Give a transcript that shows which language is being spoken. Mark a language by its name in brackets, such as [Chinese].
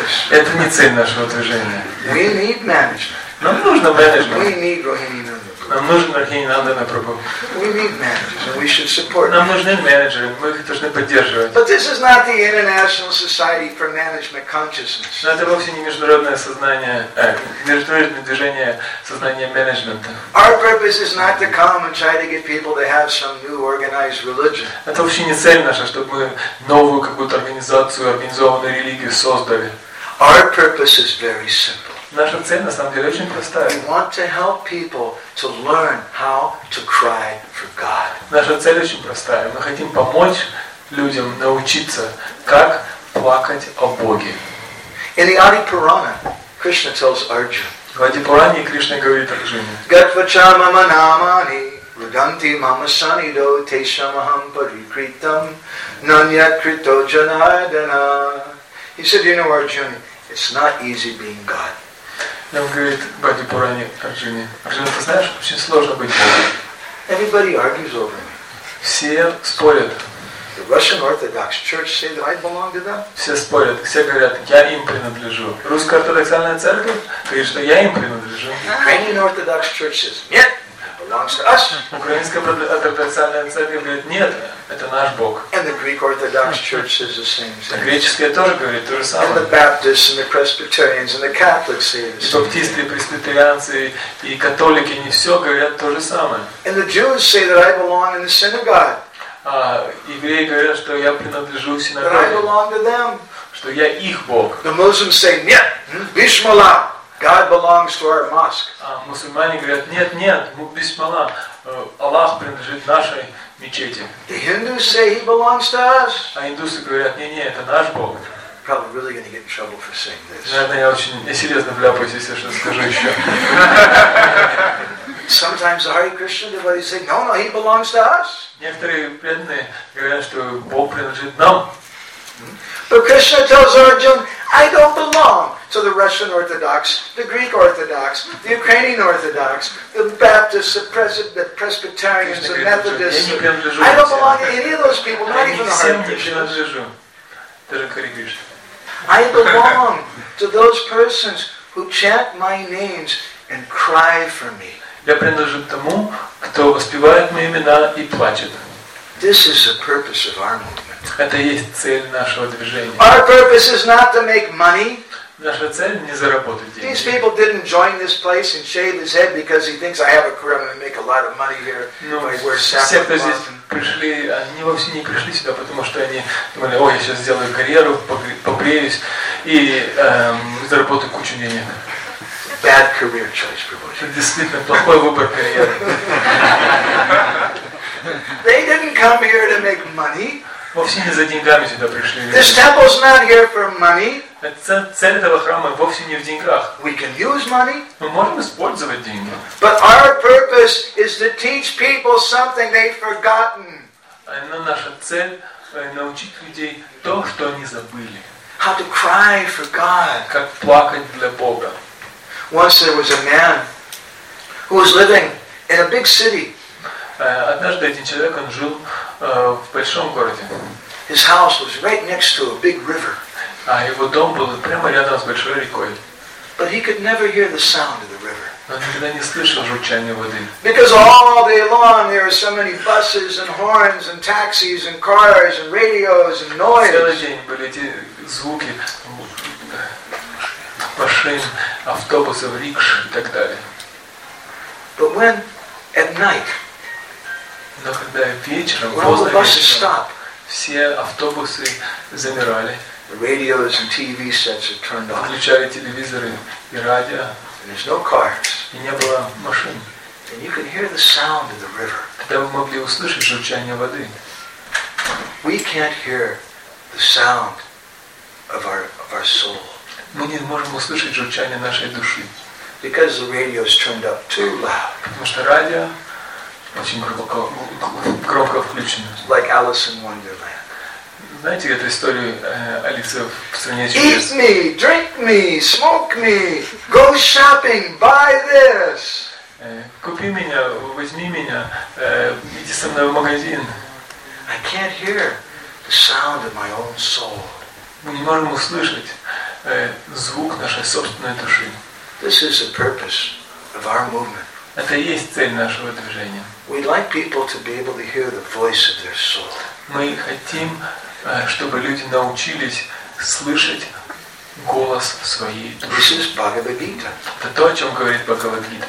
[Russian] Это не цель нашего движения. [English] We need management. [Russian] Нам нужно менеджмент. [English] We need Rohini Nandana. [Russian] Нам нужен Рохини Нандана Прабху. [English] We need managers, and we should support. [Russian] Нам нужны менеджеры, мы их должны поддерживать. [English] But this is not the International Society for Management Consciousness. [Russian] Но это вовсе не международное сознание, международное движение сознания менеджмента. [English] Our purpose is not to come and try to get people to have some new organized religion. [Russian] Это вообще не цель наша, чтобы мы новую какую-то организацию, организованную религию создали. [English] Our purpose is very simple. [Russian] Наша цель на самом деле очень простая. [English] We want to help people to learn how to cry for God. [Russian] Наша цель очень простая. Мы хотим помочь людям научиться, как плакать о Боге. [English] In the Adi Purana, Krishna tells Arjuna. [Russian] В Ади Пуране Кришна говорит Арджуне. [Sanskrit] Gatvachama manamani rudanti mama sanido teshamaham parikritam nanyat krito janardana. [English] He said, you know, Arjuna, it's not easy being God. [Russian] И он говорит Бадди Пуране Арджуне. Арджуна, ты знаешь, очень сложно быть Богом. Все спорят. [English] The Russian Orthodox Church say that I belong to them. [Russian] Все спорят, все говорят, я им принадлежу. Русская ортодоксальная церковь говорит, что я им принадлежу. [English] Ukrainian Orthodox Church says, [Russian] нет, [English] belongs to us. [Russian] Украинская ортодоксальная церковь говорит, нет, это наш Бог. [English] And the Greek Orthodox Church says the same thing. [Russian] Греческая тоже говорит то же самое. [English] And the Baptists and the Presbyterians and the Catholics say the same. [Russian] Баптисты, пресвитерианцы и католики не все говорят то же самое. [English] And the Jews say that I belong in the synagogue. [Russian] А евреи говорят, что я принадлежу синагоге. [English] I belong to them. [Russian] Что я их Бог. [English] The Muslims say, [Russian] нет, [English] Бисмилла, God belongs to our mosque. [Russian] А мусульмане говорят, нет, нет, Бисмилла, Аллах принадлежит нашей. [English] The Hindus say he belongs to us. [Russian] А индусы говорят, не, не, это наш Бог. [English] Probably really going to get in trouble for saying this. [Russian] Наверное, я очень, я серьезно вляпаюсь, если я что-то скажу еще. [English] Sometimes the Hare Krishna devotees say, "No, no, he belongs to us." [Russian] Некоторые преданные говорят, что Бог принадлежит нам. [English] But Krishna tells Arjuna, "I don't belong to the Russian Orthodox, the Greek Orthodox, the Ukrainian Orthodox, the Baptists, the Presbyterians, the Methodists. I don't belong to any of those people, not even the Hare Krishna. I belong to those persons who chant my names and cry for me." [Russian] Я принадлежу тому, кто воспевает мои имена и плачет. [English] This is the purpose of our movement. [Russian] Это и есть цель нашего движения. [English] Our purpose is not to make money. [Russian] Наша цель не заработать деньги. [English] These people didn't join this place and shave his head because he thinks I have a career and make a lot of money here. [Russian] Ну, все, кто здесь пришли, они вовсе не пришли сюда, потому что они думали, ой, я сейчас сделаю карьеру, побреюсь и заработаю кучу денег. [English] Bad career choice, Prabhuji. [Russian] Это действительно плохой выбор карьеры. [English] They didn't come here to make money. [Russian] Вовсе не за деньгами сюда пришли. [English] This temple's not here for money. [Russian] Цель этого храма вовсе не в деньгах. [English] We can use money. [Russian] Мы можем использовать деньги. [English] But our purpose is to teach people something they've forgotten. [Russian] Но наша цель научить людей то, что они забыли. [English] How to cry for God. [Russian] Как плакать для Бога. [English] Once there was a man who was living in a big city. [Russian] Однажды один человек, он жил в большом городе. [English] His house was right next to a big river. [Russian] А его дом был прямо рядом с большой рекой. [English] But he could never hear the sound of the river. [Russian] Он никогда не слышал журчания воды. [English] Because all day long there are so many buses and horns and taxis and cars and radios and noise. [Russian] Целый день были эти звуки. Машин, автобусов, рикш и так далее. [English] But when at night, [Russian] но когда вечером, поздно вечером, все автобусы замирали, [English] radios and TV sets are turned off. [Russian] Включали телевизоры и радио, [English] and there's no cars. [Russian] И не было машин. [English] And you could hear the sound of the river. [Russian] Тогда вы могли услышать журчание воды. [English] We can't hear the sound of our soul. [Russian] Мы не можем услышать журчание нашей души. [English] Because the radio is turned up too loud. [Russian] Потому что радио очень громко включено. [English] Like Alice in Wonderland. [Russian] Знаете эту историю Алисы в стране чудес? [English] Eat me, drink me, smoke me, go shopping, buy this. [Russian] Купи меня, возьми меня, иди со мной в магазин. [English] I can't hear the sound of my own soul. [Russian] Мы не можем услышать звук нашей собственной души. [English] This is the purpose of our movement. [Russian] Это и есть цель нашего движения. [English] We'd like people to be able to hear the voice of their soul. [Russian] Мы хотим, чтобы люди научились слышать голос своей души. [English] This is Bhagavad Gita. [Russian] Это то, о чем говорит Бхагавад Гита.